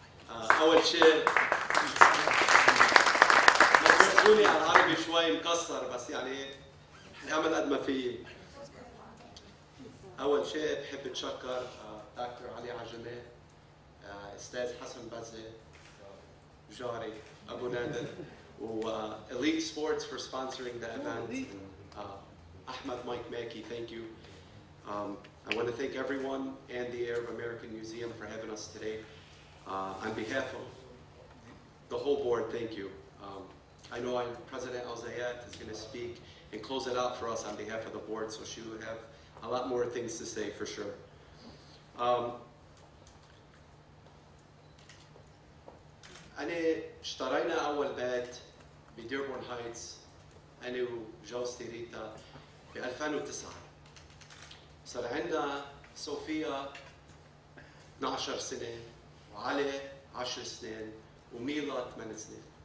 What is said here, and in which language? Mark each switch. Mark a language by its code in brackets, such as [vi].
[ar] أول شيء ما تسألوني على العربي شوي مكسر، بس يعني نعمل قد ما فيه. أول شيء بحب أتشكر دكتور علي عجمي، أستاذ حسن بزي جاري أبو نادر و [en] Elite Sports for sponsoring the event. Ahmed Mike Mackey, thank you. I want to thank everyone and the Arab American Museum for having us today. On behalf of the whole board, thank you. I know President Al-Zayed is going to speak and close it out for us on behalf of the board, so she will have a lot more things to say for sure. [ar] أنا اشترينا أول بيت بديربورن هايتس أنا وجوزتي ريتا ب 2009. صار عندنا صوفيا 12 سنة وعلي 10 سنين وميلا 8 سنين.